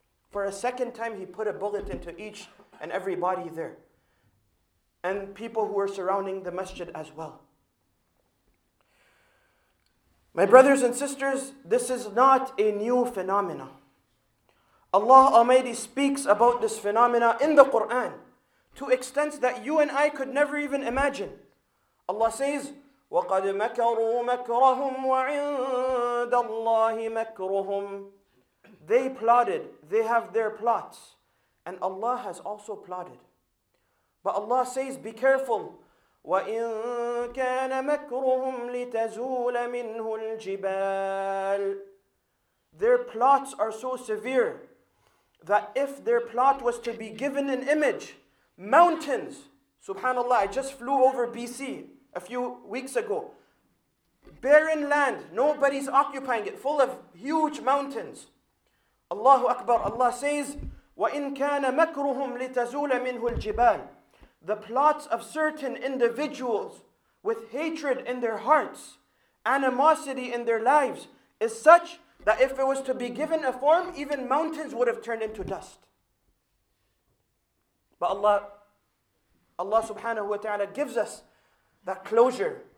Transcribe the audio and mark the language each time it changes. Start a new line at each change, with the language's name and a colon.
English: For a second time, he put a bullet into each and every body there, and people who were surrounding the masjid as well. My brothers and sisters, this is not a new phenomenon. Allah Almighty speaks about this phenomenon in the Quran to extents that you and I could never even imagine. Allah says,
Arabic: وَقَدْ مَكَرُوا مَكْرَهُمْ وَعِنْدَ اللَّهِ مَكْرُهُمْ.
English: They plotted, they have their plots, and Allah has also plotted. But Allah says, be careful.
Arabic: وَإِن كَانَ مَكْرُهُمْ لِتَزُولَ مِنْهُ الْجِبَالِ.
English: Their plots are so severe that if their plot was to be given an image, mountains, subhanAllah, I just flew over BC a few weeks ago. Barren land, nobody's occupying it, full of huge mountains. Allahu Akbar, Allah says,
Arabic: وَإِن كَانَ مَكْرُهُمْ لِتَزُولَ مِنْهُ الْجِبَالِ.
English: The plots of certain individuals with hatred in their hearts, animosity in their lives, is such that if it was to be given a form, even mountains would have turned into dust. But Allah subhanahu wa ta'ala gives us that closure.